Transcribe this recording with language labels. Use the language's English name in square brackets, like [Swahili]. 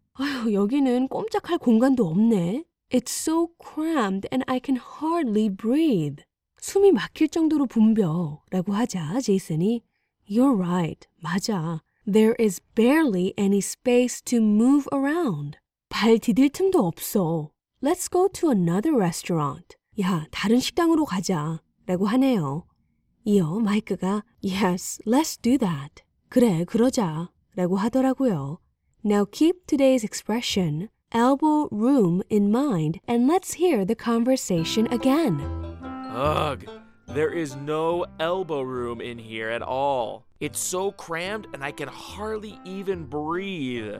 [Korean] 아휴, 여기는 꼼짝할 공간도 없네. [English] It's so crammed and I can hardly breathe. [Korean] 숨이 막힐 정도로 붐벼라고 하자 제이슨이 [English] You're right, [Korean] 맞아. [English] There is barely any space to move around. [Korean] 발 디딜 틈도 없어. [English] Let's go to another restaurant. [Korean] 야, 다른 식당으로 가자 라고 하네요. 이어 마이크가 [English] Yes, let's do that. [Korean] 그래, 그러자 라고 하더라고요. [English] Now keep today's expression, elbow room, in mind and let's hear the conversation again. Ugh, there is no elbow room in here at all. It's so crammed and I can hardly even breathe.